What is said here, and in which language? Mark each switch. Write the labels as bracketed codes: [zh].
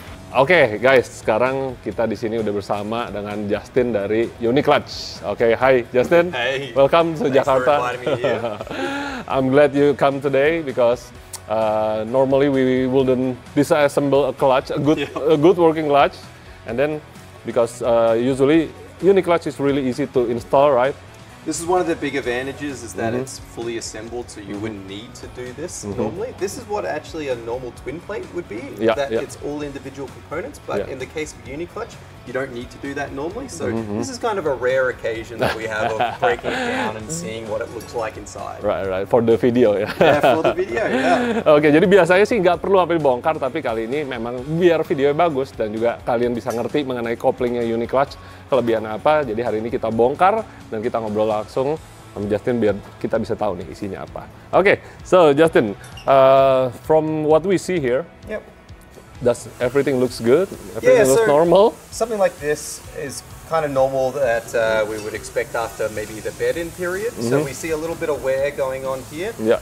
[id] Oke, okay, guys, sekarang kita di sini udah bersama dengan Justin dari Uniclutch. [en] Oke, okay, hi Justin. Hey. Welcome to Jakarta. I'm glad you come today because normally we wouldn't disassemble a clutch, a good working clutch, and then because usually Uniclutch is really easy to install, right? This is one of the big advantages is that mm-hmm. it's fully assembled, so you mm-hmm. wouldn't need to do this mm-hmm. normally. This is what actually a normal twin plate would be, yeah, that yeah. it's all individual components, but yeah. in the case of Uniclutch, you don't need to do that normally. So mm-hmm. this is kind of a rare occasion that we have of breaking it down and seeing what it looks like inside. Right, right, for the video, yeah. Yeah, for the video, yeah. [id] Oke, okay, jadi biasanya sih nggak perlu sampai dibongkar, tapi kali ini memang biar videonya bagus dan juga kalian bisa ngerti mengenai koplingnya Uniclutch, kelebihan apa, jadi hari ini kita bongkar dan kita ngobrol langsung sama Justin biar kita bisa tahu nih isinya apa. [en] Oke, okay, so Justin, from what we see here, yep. does everything looks good? Everything looks normal? Something like this is kind of normal that we would expect after maybe the bed-in period. Mm-hmm. So we see a little bit of wear going on here. Yeah.